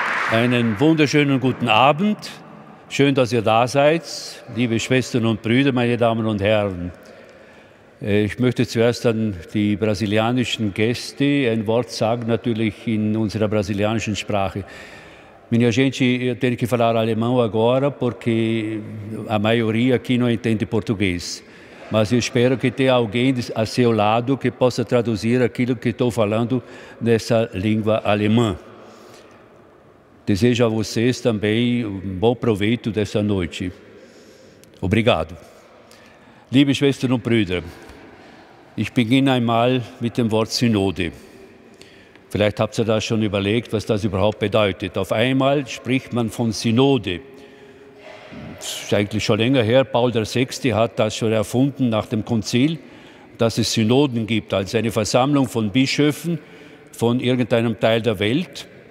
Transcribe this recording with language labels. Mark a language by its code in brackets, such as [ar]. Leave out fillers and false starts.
[de] Einen wunderschönen guten Abend. Schön, dass ihr da seid, liebe Schwestern und Brüder, meine Damen und Herren. Ich möchte zuerst an die brasilianischen Gäste ein Wort sagen, natürlich in unserer brasilianischen Sprache. [pt] Minha gente, eu tenho que falar alemão agora, porque a maioria aqui não entende português. Mas eu espero que tenha alguém a seu lado que possa traduzir aquilo que estou falando nessa língua alemã. Desejo a vocês também um bom proveito dessa noite. Obrigado. [de] Liebe Schwestern und Brüder, ich beginne einmal mit dem Wort Synode. Vielleicht habt ihr da schon überlegt, was das überhaupt bedeutet. Auf einmal spricht man von Synode. Das ist eigentlich schon länger her. Paul VI. Hat das schon erfunden nach dem Konzil, dass es Synoden gibt, also eine Versammlung von Bischöfen von irgendeinem Teil der Welt.